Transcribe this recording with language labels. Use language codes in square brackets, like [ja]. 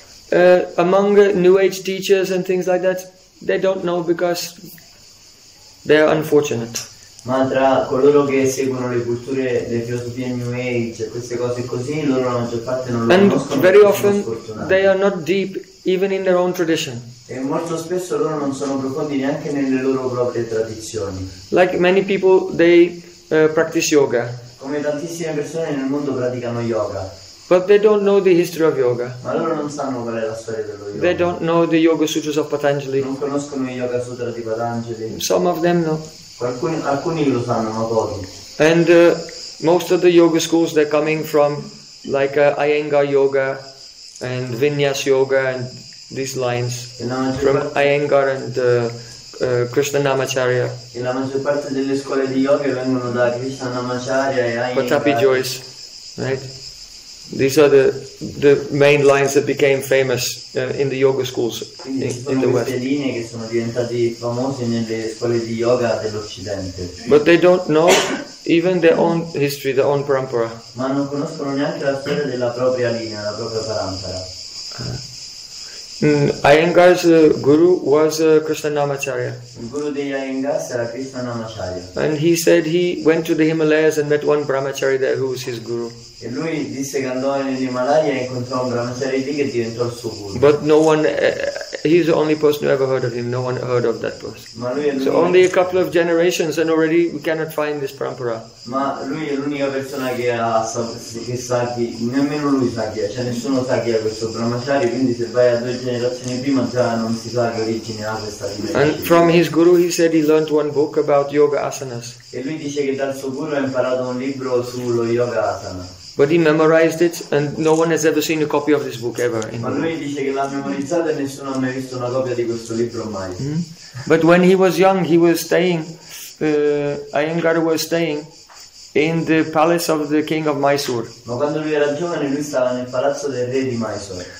[en] But among new age teachers and things like that, they don't know because they are unfortunate. [it] Ma tra coloro che seguono le culture, le filosofie New Age, queste cose così, loro la maggior parte non lo [en] and [it] conoscono. [en] Very often they are not deep even in their own tradition. [it] E molto spesso loro non sono profondi neanche nelle loro proprie tradizioni. [en] Like many people, they practice yoga. [it] Come tantissime persone nel mondo praticano yoga. [en] But they don't know the history of yoga. [it] Ma loro non sanno qual è la storia dello yoga. [en] They don't know the yoga sutras of Patanjali. [it] Non conoscono i yoga sutra di Patanjali. [en] Some of them know. [it] Alcuni lo sanno, ma pochi. [en] And most of the yoga schools, they're coming from like Iyengar yoga and Vinyasa yoga and these lines. From Iyengar and Krishnanamacharya. [it] E la maggior parte delle scuole di yoga vengono da Krishnanamacharya e Iyengar. [en] Patapi Joyce, right? These are the main lines that became famous in the yoga schools in the West. [it] Linee che sono diventate famose nelle scuole di yoga dell'Occidente. [en] But they don't know even their own history, their own parampara. [it] Ma non conoscono neanche la storia della propria linea, la propria parampara. [en] Iyengar's guru was Krishnanamacharya. [it] Guru di Iyengar era Krishnanamacharya. [en] And he said he went to the Himalayas and met one brahmachari there who was his guru. [it] E lui disse che andò negli Himalaya e incontrò un brahmachari lì che diventò il suo guru. [en] But no one, he's the only person who ever heard of him. No one heard of that person. [it] Ma lui è l'unico. [en] So only a couple of generations and already we cannot find this parampara. [it] Ma lui è l'unica persona che sa chi, nemmeno lui sa chi è, cioè nessuno sa chi è questo brahmachari, quindi se vai a due generazioni prima già non si sa che origine ha questa linea. [en] And from his guru he said he learned one book about yoga asanas. [it] E lui dice che dal suo guru ha imparato un libro sullo yoga asana. [en] But he memorized it and no one has ever seen a copy of this book ever. [it] Ma lui dice che l'ha memorizzato e nessuno ha mai visto una copia di questo libro mai. Mm-hmm. [en] But when he was young he was staying, Iyengar was staying in the palace of the king of Mysore. [it] Ma quando lui era giovane lui stava nel palazzo del re di Mysore.